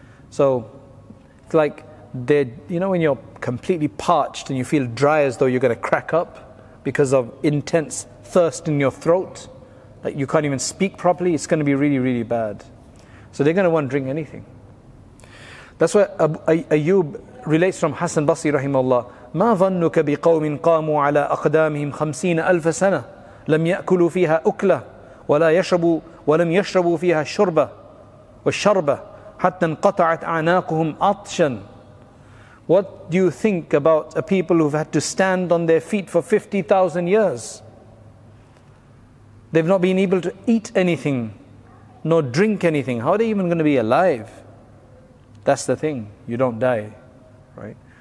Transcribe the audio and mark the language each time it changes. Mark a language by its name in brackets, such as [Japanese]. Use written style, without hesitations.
[English] So it's like, you know when you're completely parched and you feel dry as though you're going to crack up because of intense thirst in your throat, that you can't even speak properly, it's going to be really, really bad. So they're going to want to drink anything. That's why Ayyub relates from Hassan Basri rahimahullah, [Arabic] مَا ظَنُّكَ بِقَوْمٍ قَامُوا عَلَىٰ أَقْدَامِهِمْ [English] 50,000 years [Arabic] لَمْ يَأْكُلُوا فِيهَا أُكْلَةً وَلَمْ يَشْرَبُوا فِيهَا شُرْبَةً حَتَّى انْقَطَعَتْ أَعْنَاقُهُمْ عَطْشًا. [English] What do you think about a people who've had to stand on their feet for 50,000 years? They've not been able to eat anything, nor drink anything. How are they even going to be alive? That's the thing, you don't die, right?